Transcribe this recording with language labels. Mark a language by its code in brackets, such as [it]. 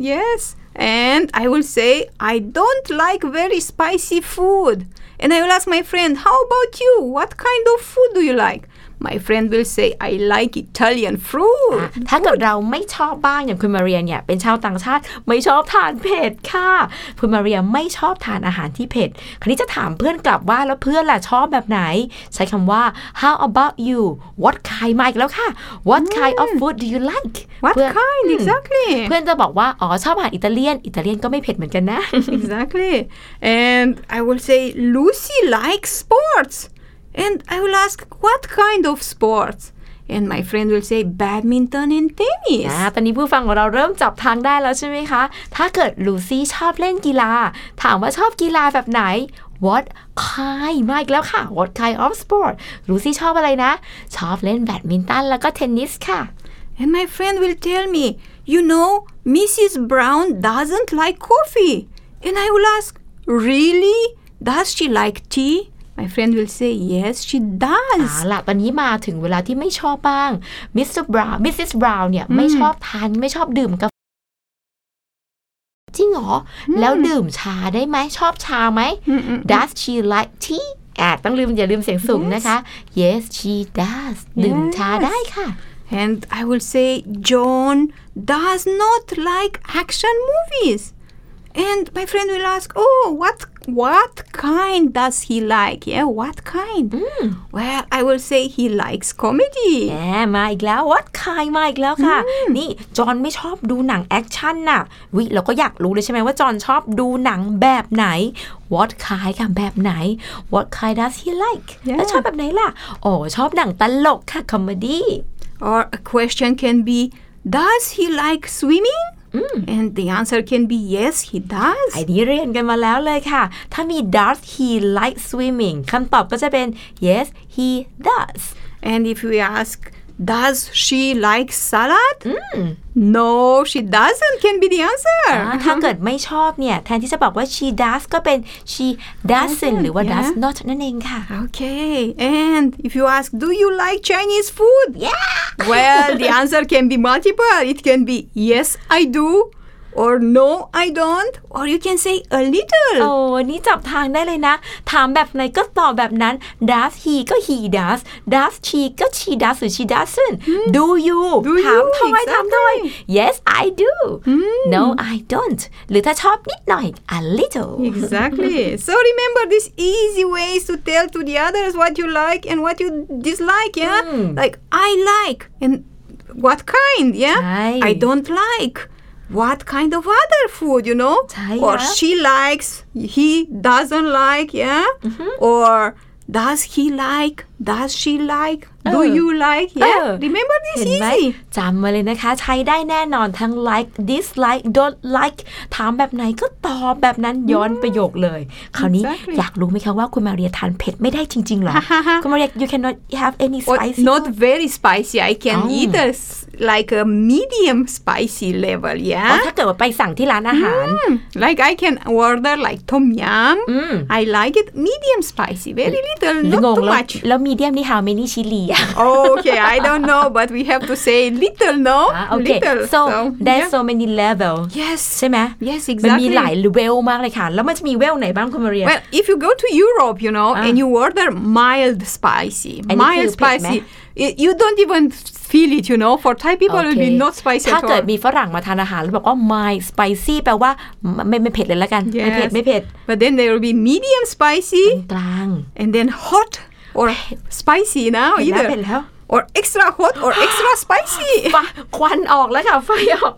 [en] Yes and I will say I don't like very spicy food and I will ask my friend how about you what kind of food do you like My friend will say I like Italian food. [th] ถ้าเกิดเราไม่ชอบบ้างอย่างคุณมาเรียเนี่ยเป็นชาวต่างชาติไม่ชอบทานเผ็ดค่ะคุณมาเรียไม่ชอบทานอาหารที่เผ็ดคราวนี้จะถามเพื่อนกลับว่าแล้วเพื่อนล่ะชอบแบบไหนใช้คำว่า [en] How about you? What kind? [th] มาอีกแล้วค่ะ [en] What kind of food do you like? What kind? Exactly. [th] เพื่อนจะบอกว่าอ๋อชอบอาหารอิตาเลียนอิตาเลียนก็ไม่เผ็ดเหมือนกันนะ [en] Exactly. And I will say Lucy likes sports. And I will ask, what kind of sports? And my friend will say, badminton and tennis. [th] ตอนนี้ผู้ฟังของเราเริ่มจับทางได้แล้วใช่ไหมคะถ้าเกิดลูซี่ชอบเล่นกีฬาถามว่าชอบกีฬาแบบไหน [en] What kind? [th] มาอีกแล้วค่ะ [en] What kind of sport? [th] ลูซี่ชอบอะไรนะชอบเล่นแบดมินตันแล้วก็เทนนิสค่ะ [en] And my friend will tell me, you know, Mrs. Brown doesn't like coffee. And I will ask, really? Does she like tea? My friend will say yes she does [th] ล่ะตอนนี้มาถึงเวลาที่ไม่ชอบบ้าง Mr. Brown Mrs. Brown เนี่ยไม่ชอบทานไม่ชอบดื่มกาแฟจริงเหรอแล้วดื่มชาได้ไหมชอบชาไหม [en] Does she like tea [th] ต้องลืมอย่าลืมเสียงสูง yes. นะคะ [en] Yes she does [th] ดื่ม yes. ชาได้ค่ะ [en] And I will say John does not like action moviesAnd my friend will ask, oh, what kind does he like? Yeah, what kind? Well, I will say he likes comedy. [th] Yeah, มาอีกแล้ว What kind มาอีกแล้วค่ะนี่จอห์นไม่ชอบดูหนังแอคชั่นน่ะวิเราก็อยากรู้เลยใช่ไหมว่าจอห์นชอบดูหนังแบบไหน What kind ค่ะแบบไหน [en] What kind does he like? Yeah. [th] แล้วชอบแบบไหนล่ะโอ้ชอบหนังตลกค่ะ comedy [en] Or a question can be, does he like swimming? And the answer can be yes he does [th] ไอ้นี่เรียนกันมาแล้วเลยค่ะถ้ามี [en] does he like swimming [th] คำตอบก็จะเป็น [en] yes he does and if we ask does she like salad no she doesn't can be the answer [th] ถ้าเกิดไม่ชอบเนี่ยแทนที่จะบอกว่า she does ก็เป็น she doesn't หรือว่า [en] does not [th] นั่นเองค่ะ [en] okay and if you ask do you like Chinese food yeah well the answer can be multiple it can be yes I door no I don't or you can say a little [th] โอ้นี่จับทางได้เลยนะถามแบบไหนก็ตอบแบบนั้น does he ก็ he does does she ก็ she does หรือ she doesn't do you ถามทำไมถามทำไม [en] yes I do no I don't [th] หรือถ้าชอบนิดหน่อย [en] a little exactly so remember these easy ways to tell to the others what you like and what you dislike yeah like I like and what kind yeah I don't like what kind of other food, you know? Or she likes, he doesn't like, yeah? Mm-hmm. Or does he like, does she like, do you like, yeah? Remember this easy. [th] จำมาเลยนะคะใช้ได้แน่นอนทั้ง [en] like, dislike, don't like [th] ถามแบบไหนก็ตอบแบบนั้นย้อนประโยคเลยคราวนี้อยากรู้ไหมคะว่าคุณมาเรียทานเผ็ดไม่ได้จริงๆหรอคุณมาเรีย [en] you cannot have any spicy not very spicy I can eat a like a medium spicy level yeah [th] ถ้าเกิดว่าไปสั่งที่ร้านอาหาร [en] like I can order like tom yum I like it medium spicy very little not too much [th] แล้ว medium นี่ [en] how many chili Okay, I don't know, but we have to say little, no? Okay, so there's so many levels. Yes. [th] ใช่ไหม? [en] Yes, exactly. [th] มันมีหลายเวลมากเลยค่ะ แล้วมันจะมีเวลไหนบ้างคุณมาเรีย? [en] Well, if you go to Europe, you know, and you order mild spicy, mild spicy, you don't even feel it, you know, for Thai people it will be not spicy at all. [th] ถ้าเกิดมีฝรั่งมาทานอาหารแล้วบอกว่า [en] mild spicy [th] แปลว่าไม่เผ็ดเลยละกัน ไม่เผ็ดไม่เผ็ด [en] But then there will be medium spicy, [th] กลาง [en] and then hot. Or spicy now either. Or extra hot or extra spicy. [th] Quan ออกแล้วค่ะไฟออก